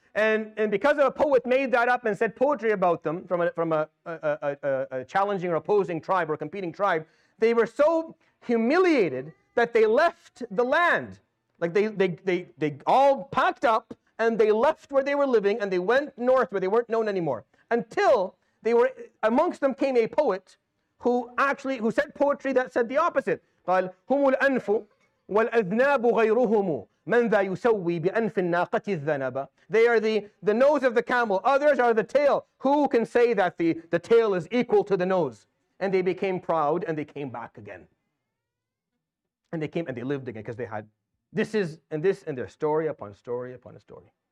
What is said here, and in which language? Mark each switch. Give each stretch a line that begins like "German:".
English: And because a poet made that up and said poetry about them from a challenging or opposing tribe or competing tribe, they were so humiliated that they left the land. Like they all packed up and they left where they were living and they went north where they weren't known anymore. Until they were amongst them came a poet who said poetry that said the opposite.
Arabic: قال هم الأنف والأذناب غيرهم من ذا يسوي بأنف الناقة الذنبة.
English: They are the nose of the camel. Others are the tail. Who can say that the tail is equal to the nose? And they became proud and they came back again. And they came and they lived again because they had this is and this and their story upon story upon a story.